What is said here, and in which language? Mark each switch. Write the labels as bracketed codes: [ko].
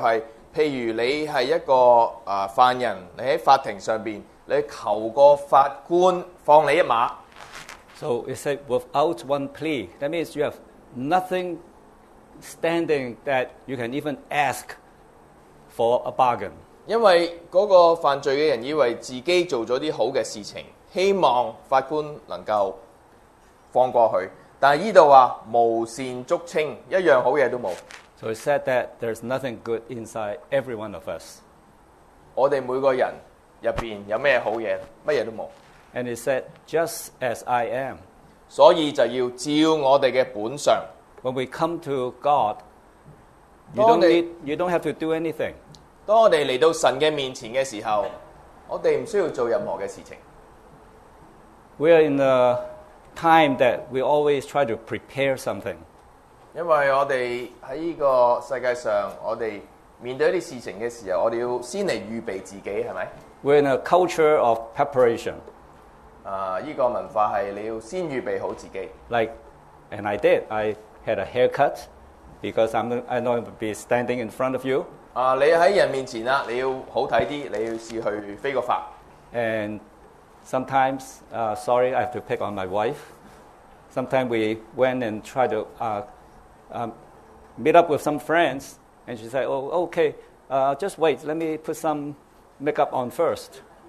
[zh] 无善足称就是譬如你是一个犯人, 你在法庭上面, 你求过法官放你一马。 [en] So it said without one plea, that means you have nothing standing that you can even ask for a bargain. [zh] 因为那个犯罪的人以为自己做了一些好的事情，希望法官能够放过去，但是这里说无善足称，一样好东西都没有。 [en] So it said that there's nothing good inside every one of us. [zh] 我们每个人里面有什么好东西，什么都没有。 [en] And it said, just as I am. [zh] 所以就要照我们的本相。 [en] When we come to God, you don't have to do anything. [zh] 当我们来到神的面前的时候, 我们不需要做任何的事情。 [en] We are in a time that we always try to prepare something. [zh] 因为我们在这个世界上, 我们面对一些事情的时候, 我们要先来预备自己, 是吧? [en] We're in a culture of preparation. [zh] 这个文化是你要先预备好自己。 [en] Like, and I did. I had a haircut because I'm not going to be standing in front of you. [zh] 你在人面前，你要好看一点，你要试去飞个发。 [en] And sometimes, sorry, I have to pick on my wife. Sometimes we went and tried to meet up with some friends, and she said, oh, okay, just wait, let me put some makeup on first.